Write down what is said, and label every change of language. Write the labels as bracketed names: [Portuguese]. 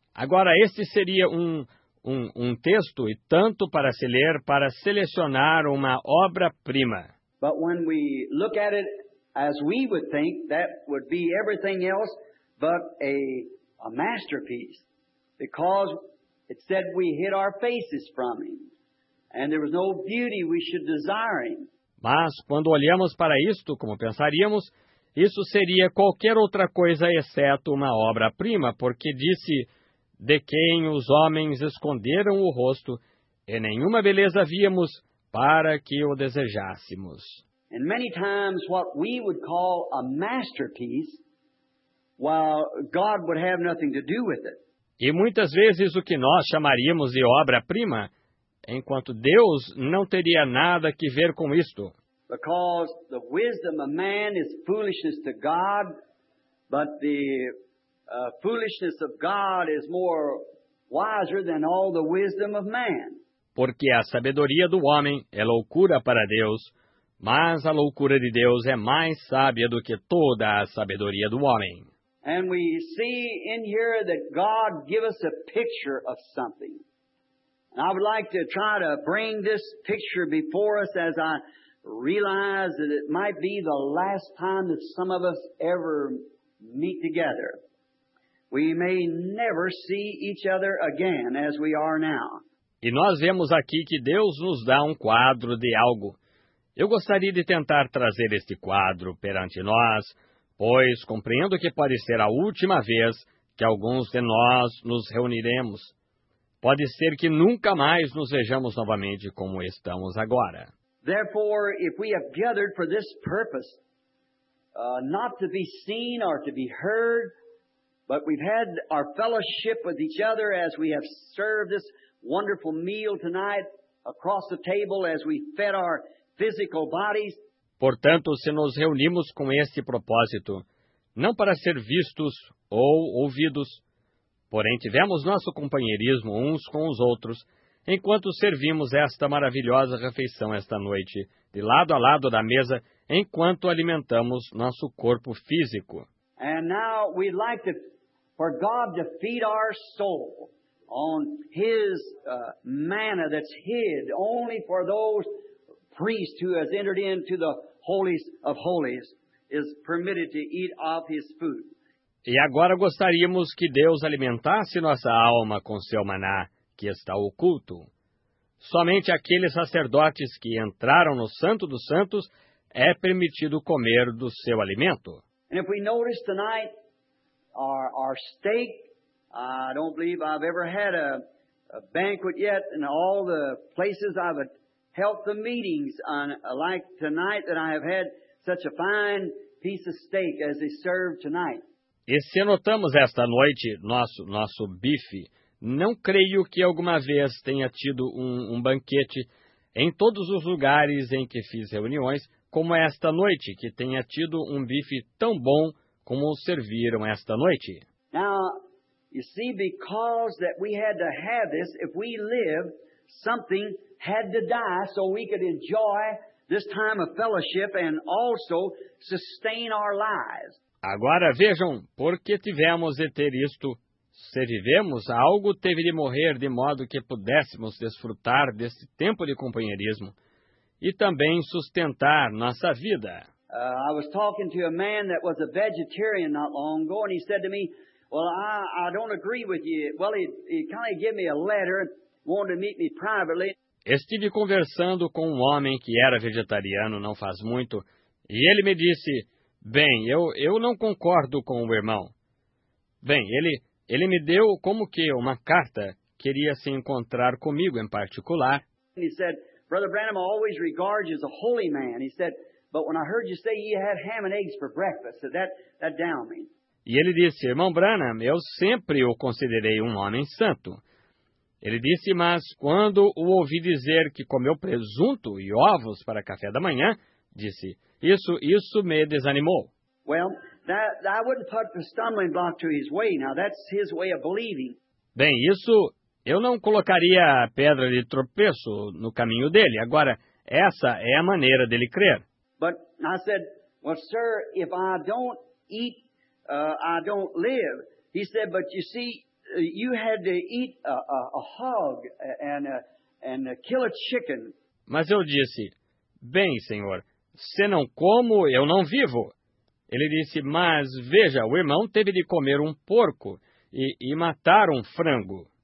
[Portuguese] Agora, este seria um texto e tanto para se ler, para selecionar uma obra-prima. [English] But when we look at it, as we would think, that would be everything else but a masterpiece, because it said we hid our faces from him, and there was no beauty we should desire him. [Portuguese] Mas quando olhamos para isto, como pensaríamos, isso seria qualquer outra coisa exceto uma obra-prima, porque disse, de quem os homens esconderam o rosto, e nenhuma beleza víamos para que o desejássemos. [English] And many times what we would call a masterpiece, while God would have nothing to do with it. [Portuguese] E muitas vezes o que nós chamaríamos de obra-prima, enquanto Deus não teria nada que ver com isto. [English] Because the wisdom of man is foolishness to God, but the foolishness of God is more wiser than all the wisdom of man. [Portuguese] Porque a sabedoria do homem é loucura para Deus, mas a loucura de Deus é mais sábia do que toda a sabedoria do homem. [English] And we see in here that God gives us a picture of something. And I would like to try to bring this picture before us as I realize that it might be the last time that some of us ever meet together. We may never see each other again as we are now. [Portuguese] E nós vemos aqui que Deus nos dá um quadro de algo. Eu gostaria de tentar trazer este quadro perante nós, pois compreendo que pode ser a última vez que alguns de nós nos reuniremos. Pode ser que nunca mais nos vejamos novamente como estamos agora. [English] Therefore, if we have gathered for this purpose, not to be seen or to be heard, but we've had our fellowship with each other as we have served this wonderful meal tonight across the table as we fed our physical bodies. [Portuguese] Portanto, se nos reunimos com este propósito, não para ser vistos ou ouvidos, porém tivemos nosso companheirismo uns com os outros, enquanto servimos esta maravilhosa refeição esta noite, de lado a lado da mesa, enquanto alimentamos nosso corpo físico. [English] And now we'd like to, for God to feed our soul on his manna that's hid only for those priests who has entered into the holies of holies is permitted to eat of his food. [Portuguese] E agora gostaríamos que Deus alimentasse nossa alma com seu maná, que está oculto. Somente aqueles sacerdotes que entraram no Santo dos Santos é permitido comer do seu alimento. [English] And if we notice tonight our steak, I don't believe I've ever had a banquet yet in all the places I've held the meetings on, like tonight, that I have had such a fine piece of steak as they served tonight. [Portuguese] E se notamos esta noite nosso bife, não creio que alguma vez tenha tido um banquete em todos os lugares em que fiz reuniões, como esta noite, que tenha tido um bife tão bom como os serviram esta noite. [English] Now, you see, because that we had to have this, if we live, something had to die so we could enjoy this time of fellowship and also sustain our lives. [Portuguese] Agora vejam, porque tivemos de ter isto, se vivemos, algo teve de morrer de modo que pudéssemos desfrutar desse tempo de companheirismo e também sustentar nossa vida. [English] I was talking to a man that was a vegetarian not long ago, and he said to me, well, I don't agree with you. Well, he kind of gave me a letter, wanted to meet me privately. [Portuguese] estive conversando com um homem que era vegetariano não faz muito, e ele me disse, bem, eu não concordo com o irmão. Bem, ele me deu como que uma carta, queria se encontrar comigo em particular. [English] He said, Brother Branham, I always regard you as a holy man. He said, but when I heard you say you had ham and eggs for breakfast, so that downed me. [Portuguese] E ele disse, irmão Branham, eu sempre o considerei um homem santo. Ele disse, mas quando o ouvi dizer que comeu presunto e ovos para café da manhã, disse, isso me desanimou. [English] Well, that I wouldn't put the stumbling block to his way. Now, that's his way of believing. [Portuguese] Bem, isso eu não colocaria a pedra de tropeço no caminho dele. Agora, essa é a maneira dele crer. [English] But I said, well, sir, if I don't eat, I don't live. He said, but you see, you had to eat a hog and kill a chicken. [Portuguese] Mas eu disse, bem, senhor, se não como, eu não vivo. Ele disse, mas veja, o irmão teve de comer um porco e matar um frango.